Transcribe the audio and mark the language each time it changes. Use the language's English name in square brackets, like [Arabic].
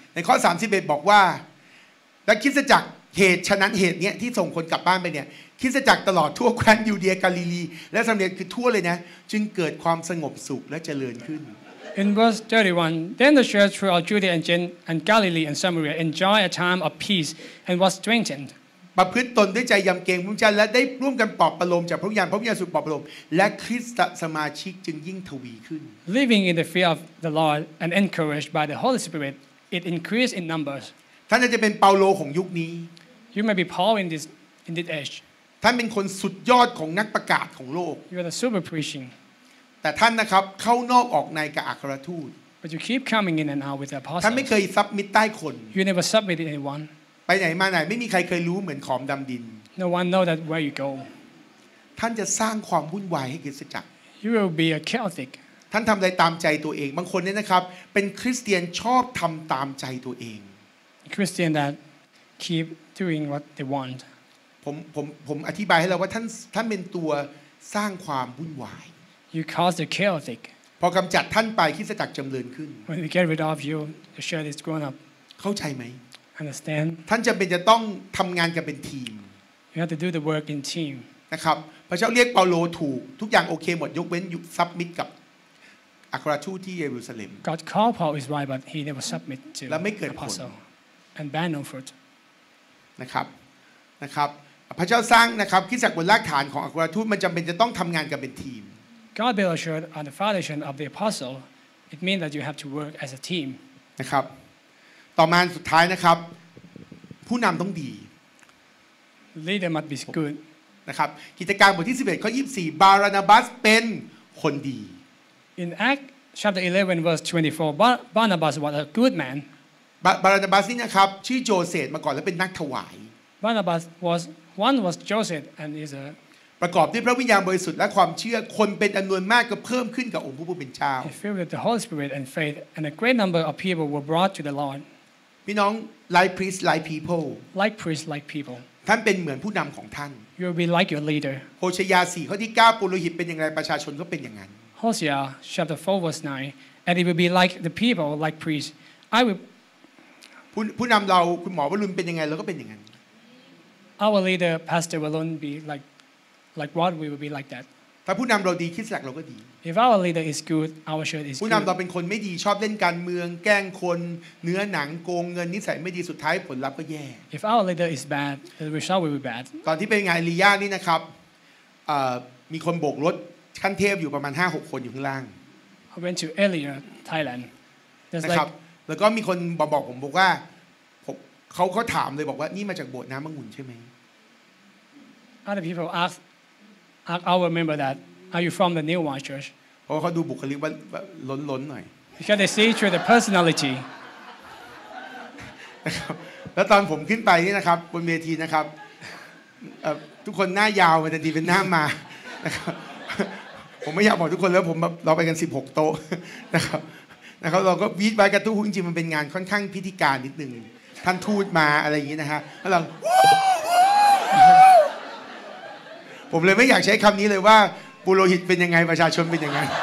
[Thai] ในข้อ31บอกว่าและคริสตจักรเหตุฉะนั้นเหตุเนี้ยที่ส่งคนกลับบ้านไปเนี่ยคริสตจักรตลอดทั่วแคว้นยูเดียกาลิลีและสําเร็จคือทั่วเลยนะจึงเกิดความสงบสุขและเจริญขึ้น [English] In verse 31, then the church throughout Judea and Gen and Galilee and Samaria enjoyed a time of peace and was strengthened. [Thai] ประพฤติตนด้วยใจยำเกรงพระเจ้าและได้ร่วมกันปลอบประโลมจากพระยานพระยานสุขปลอบประโลมและคริสตสมาชิกจึงยิ่งทวีขึ้น [English] Living in the fear of the Lord and encouraged by the Holy Spirit, it increased in numbers. [Thai] ท่านจะเป็นเปาโลของยุคนี้ [English] You may be Paul in this age. [Thai] ท่านเป็นคนสุดยอดของนักประกาศของโลก [English] You are the super preaching. [Thai] แต่ท่านนะครับเข้านอกออกในกับอัครทูต [English] But you keep coming in and out with the apostles. [Thai] ท่านไม่เคยซับมิดใต้คน [English] You never submit to anyone. [Thai] ไปไหนมาไหนไม่มีใครเคยรู้เหมือนขอมดำดิน [English] No one know that where you go. [Thai] ท่านจะสร้างความวุ่นวายให้คริสตจักร [English] You will be a chaotic. [Thai] ท่านทำอะไรตามใจตัวเองบางคนเนี่ยนะครับเป็นคริสเตียนชอบทำตามใจตัวเอง [English] Christian that keep doing what they want. [Thai] ผมอธิบายให้เราว่าท่านเป็นตัวสร้างความวุ่นวาย [English] You cause the chaotic. [Thai] พอกำจัดท่านไปคริสตจักรจำเริญขึ้น [English] When we get rid of you, the church is grown up. [Thai] เข้าใจไหม [English] Understand? [Thai] ท่านจำเป็นจะต้องทำงานกันเป็นทีม [English] You have to do the work in team. [Thai] นะครับพระเจ้าเรียกเปาโลถูกทุกอย่างโอเคหมดยกเว้นอยู่ submit กับอัครทูตที่เยรูซาเล็ม [English] God called Paul is right, but he never submit to the apostle and bear no fruit. [Thai] นะครับพระเจ้าสร้างนะครับคริสตจักรบนรากฐานของอัครทูตมันจำเป็นจะต้องทำงานกันเป็นทีม [English] God built a church on the foundation of the apostle. It means that you have to work as a team. [Thai] นะครับต่อมาสุดท้ายนะครับผู้นำต้องดี [English] Leader must be good. [Thai] นะครับกิจการบทที่11ข้อ24บารนาบัสเป็นคนดี [English] In Acts chapter 11 verse 24, Barnabas was a good man. [Thai] Barnabas นี่นะครับชื่อโจเซฟมาก่อนแล้วเป็นนักถวาย [English] Barnabas was one was Joseph and is a [Thai] ประกอบด้วยพระวิญญาณบริสุทธิ์และความเชื่อคนเป็นจำนวนมากก็เพิ่มขึ้นกับองค์พระผู้เป็นเจ้า [English] He filled with the Holy Spirit and faith and a great number of people were brought to the Lord [Thai] พี่น้อง [English] like priest like people like priest like people [Thai] ท่านเป็นเหมือนผู้นำของท่าน [English] You will be like your leader [Thai] โฮชยา4ข้อที่9ปุโรหิตเป็นอย่างไรประชาชนก็เป็นอย่างนั้น [English] Hosea chapter 4 verse 9 and it will be like the people like priest I will [Thai] ผู้นำเราคุณหมอวรุณเป็นยังไงเราก็เป็นอย่างนั้น [English] Our leader pastor Valon be like what we will be like that [Thai] ถ้าผู้นำเราดีคริสตจักรเราก็ดี [English] If our leader is good our church is good [Thai] ผู้นำเราเป็นคนไม่ดีชอบเล่นการเมืองแกล้งคนเนื้อหนังโกงเงินนิสัยไม่ดีสุดท้ายผลลัพธ์ก็แย่ [English] If our leader is bad the result will be bad [Thai] ตอนที่เป็นงานเอลียานี่นะครับมีคนโบกรถขั้นเทพอยู่ประมาณ 5-6 คนอยู่ข้างล่ าง [English] I went to Elia Thailand [Thai] นะครับแล้วก็มีคนบอกผมบอกว่าเขาถามเลยบอกว่านี่มาจากโบสถ์น้ำมะงุ่นใช่ไหม [English] Other people ask our member that are you from the New Wine Church? [Thai] เพราะเขาดูบุคลิกว่าล้นๆหน่อย [English] Because they see through the personality. [Thai] แล้วตอนผมขึ้นไปนี่นะครับบนเวทีนะครับทุกคนหน้ายาวมาแต่ดีเป็นหน้ามานะครับผมไม่อยากบอกทุกคนแล้วผมเราไปกัน16โต๊ะนะครับเราก็วีดไว้กันทุกคนจริงๆมันเป็นงานค่อนข้างพิธีการนิดนึงท่านทูตมาอะไรอย่างนี้นะฮะแล้วเราผมเลยไม่อยากใช้คำนี้เลยว่าปุโรหิตเป็นยังไงประชาชนเป็นยังไง